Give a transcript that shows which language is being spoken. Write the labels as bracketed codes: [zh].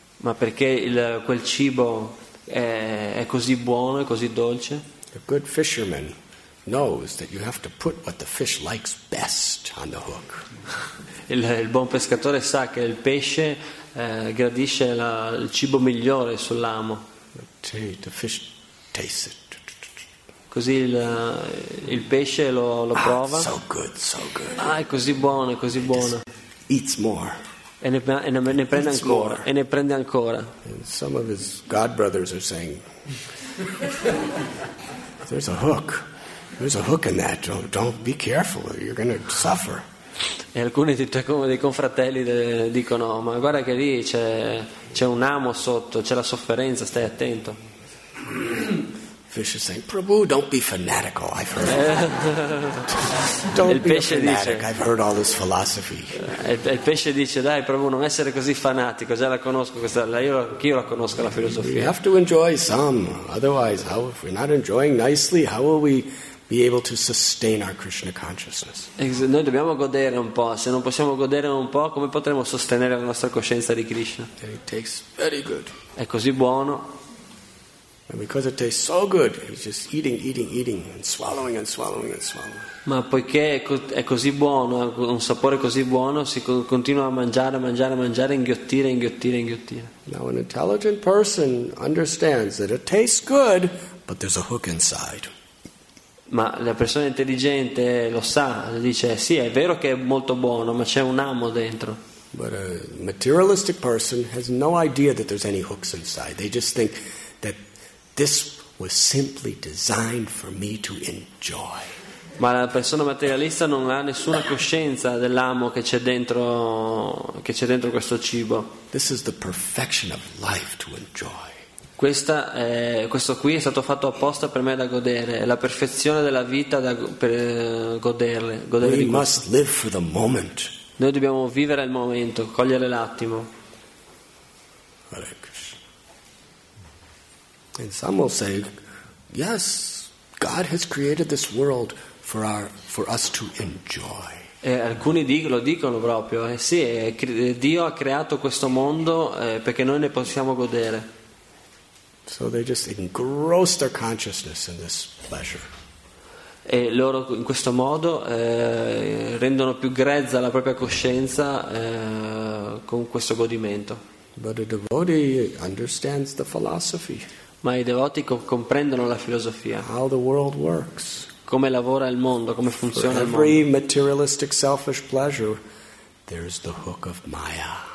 [it] Ma perché quel cibo è così buono, è così dolce? [en] A good fisherman knows that you have to put what the fish likes best on the hook. [it] Il buon pescatore sa che il pesce gradisce il cibo migliore sull'amo. [en] The fish tastes it. [it] Così il pesce lo prova. [en] So good, so good. [it] Ah, è così buono, è così buono. [en] Eats more. [it] E ne prende ancora. E ne prende ancora. [en] And some of his god brothers are saying, "There's a hook. There's a hook in that. Don't be careful. You're going to suffer." [it] E alcuni dei confratelli dicono, "Ma guarda che lì c'è un amo sotto. C'è la sofferenza. Stai attento." [en] Fish is saying, "Prabhu, don't be fanatical. I've heard [it] Il pesce dice, [en] I've heard all this philosophy." [it] Il pesce dice, "Dai, Prabhu, non essere così fanatico. Già la conosco questa. Io la conosco la filosofia." [en] We have to enjoy some. Otherwise, how, if we're not enjoying nicely, how will we be able to sustain our Krishna consciousness? [it] Noi dobbiamo godere un po'. Se non possiamo godere un po', come potremo sostenere la nostra coscienza di Krishna? [en] It tastes very good. [it] È così buono. [en] And because it tastes so good, he's just eating, eating, eating, and swallowing and swallowing and swallowing. [it] Ma poiché è così buono, ha un sapore così buono, si continua a mangiare, mangiare, mangiare, inghiottire, inghiottire, inghiottire. [en] Now an intelligent person understands that it tastes good, but there's a hook inside. [it] Ma la persona intelligente lo sa, dice sì, è vero che è molto buono, ma c'è un amo dentro. [en] But a materialistic person has no idea that there's any hooks inside. They just think that this was simply designed for me to enjoy. [it] Ma la persona materialista non ha nessuna coscienza dell'amo che c'è dentro questo cibo. [en] This is the perfection of life to enjoy. [it] Questo qui è stato fatto apposta per me da godere, è la perfezione della vita da godere. [en] We must live for the moment. [it] Noi dobbiamo vivere il momento, cogliere l'attimo. [sa] Hare Krishna. [en] And some will say, yes, God has created this world for us to enjoy. [it] E alcuni lo dicono proprio, sì, Dio ha creato questo mondo perché noi ne possiamo godere. [en] So they just engross their consciousness in this pleasure. [it] E loro in questo modo rendono più grezza la propria coscienza con questo godimento. [en] But a devotee understands the philosophy. [it] Ma i devoti comprendono la filosofia. [en] How the world works. [it] Come lavora il mondo, come funziona il mondo. [en] For every materialistic selfish pleasure, there's the hook of Maya.